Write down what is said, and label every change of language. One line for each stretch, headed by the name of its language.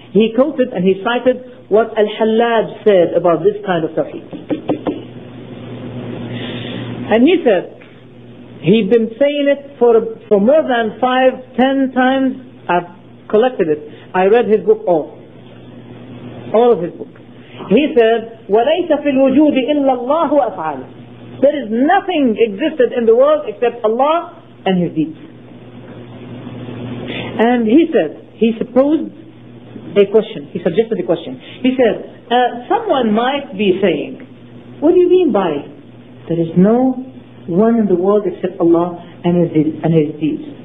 English: He quoted and he cited what Al-Hallaj said about this kind of Tawheed. And he said, he'd been saying it for more than 5-10 times. I've collected it. I read his book all of his book. He said,
Arabic: وَلَيْسَ فِي الْوُجُودِ إِلَّا اللَّهُ أَفْعَالِ.
English: There is nothing existed in the world except Allah and His deeds. And he said, he supposed a question, he suggested a question. He said, someone might be saying, what do you mean by there is no one in the world except Allah and His deeds?